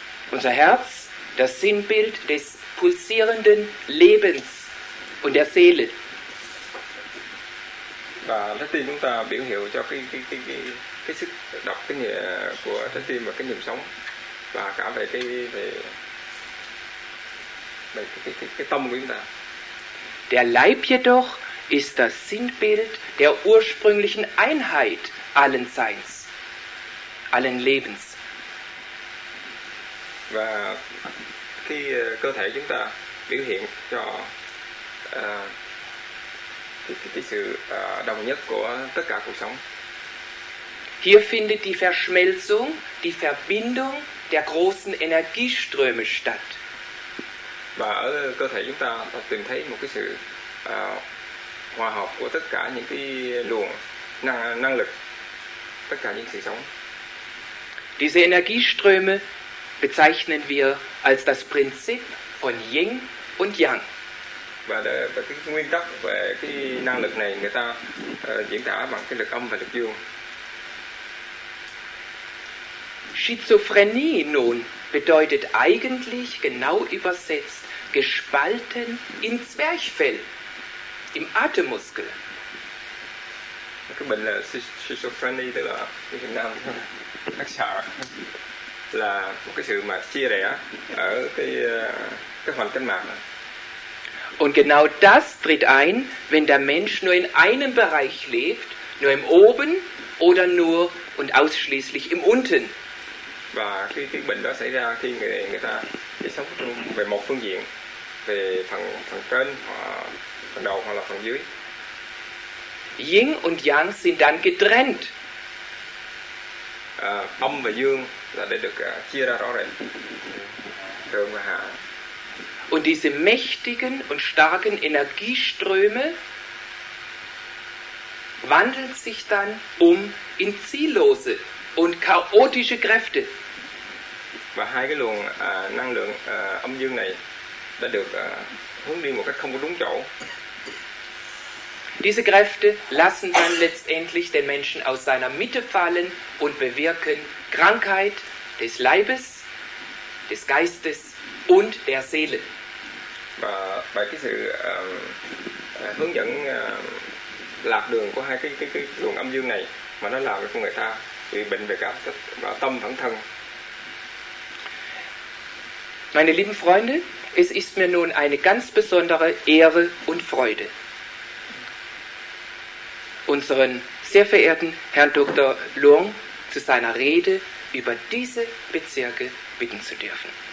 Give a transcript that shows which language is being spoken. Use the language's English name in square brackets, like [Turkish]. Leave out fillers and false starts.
[German] Unser Herz, das Sinnbild des pulsierenden Lebens und der Seele. [Vietnamese] Và trái tim chúng ta biểu hiệu cho cái sức đập cái nhịp của trái tim và cái nhịp sống và cả về cái tâm của chúng ta. [German] Der Leib jedoch ist das Sinnbild der ursprünglichen Einheit allen Seins, allen Lebens. [Vietnamese] Và cái cơ thể chúng ta biểu hiện cho cái sự đồng nhất của tất cả cuộc sống. [German] Hier findet die Verschmelzung, die Verbindung der großen Energieströme statt. [Vietnamese] Và ở cơ thể chúng ta tìm thấy một cái sự hòa hợp của tất cả những cái luồng năng lực, tất cả những sự sống. [German] Diese Energieströme bezeichnen wir als das Prinzip von Yin und Yang. [Vietnamese] Và cái nguyên tắc về cái năng lực này người ta diễn tả bằng cái lực âm và lực dương. [German] Schizophrenie nun bedeutet eigentlich genau übersetzt gespalten in Zwerchfell, im Atemmuskel. [Vietnamese] Cái bệnh là Schizophrenie tức là cái năng lực khắc xạ là một cái sự mà chia rẽ ở cái hoành kinh mạc. [German] Und genau das tritt ein, wenn der Mensch nur in einem Bereich lebt, nur im Oben oder nur und ausschließlich im Unten. [Vietnamese] Và cái bệnh đó xảy ra khi người ta chỉ sống về một phương diện, về phần trên hoặc phần đầu hoặc là phần dưới. [German] Yin und Yang sind dann getrennt. [Vietnamese] Âm và dương là để được chia ra rõ rệt. Thượng và hạ. [German] Und diese mächtigen und starken Energieströme wandeln sich dann um in ziellose und chaotische Kräfte. [Vietnamese] Và hai cái luồng năng lượng âm dương này đã được hướng đi một cách không có đúng chỗ. [German] Diese Kräfte lassen dann letztendlich den Menschen aus seiner Mitte fallen und bewirken Krankheit des Leibes, des Geistes und der Seele. Bei [Vietnamese] cái sự hướng dẫn lạc đường của hai cái luồng âm dương này mà nó làm cho người ta bị bệnh về cảm xúc và tâm thẳng thân. [German] Meine lieben Freunde, es ist mir nun eine ganz besondere Ehre und Freude, unseren sehr verehrten Herrn Dr. Luong zu seiner Rede über diese Bezirke bitten zu dürfen.